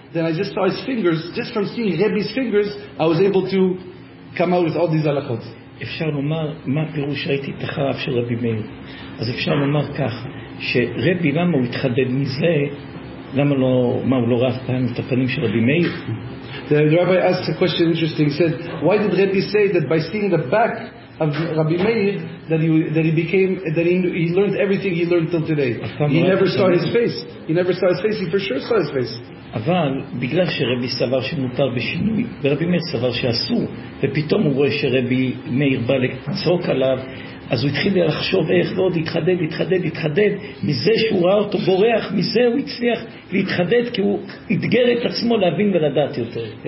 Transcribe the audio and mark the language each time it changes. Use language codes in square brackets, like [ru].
[en] Then I just saw his fingers. Just from seeing Rabbi's fingers, I was able to come out with all these halachot. [he] אפשר לומר מה פירוש ראיתי את החרב של רבי מאיר. אז אפשר לומר כך, שרבי, למה הוא התחדד מזה? למה לא, מה, הוא לא ראה פעם את הפנים של רבי מאיר? [en] The rabbi asked a question interesting. He said, why did Rabbi say that by seeing the back of Rabbi Meir that he learned everything he learned till today. He never saw his face. He never saw his face. He for sure saw his face. [he] אבל בגלל שרבי סבר שמותר בשינוי ורבי מאיר סבר שאסור, ופתאום הוא רואה שרבי מאיר בא לצעוק עליו, אז הוא התחיל לחשוב איך ועוד התחדד מזה שהוא ראה אותו בורח, מזה הוא הצליח להתחדד, כי הוא אתגר את עצמו להבין ולדעת יותר.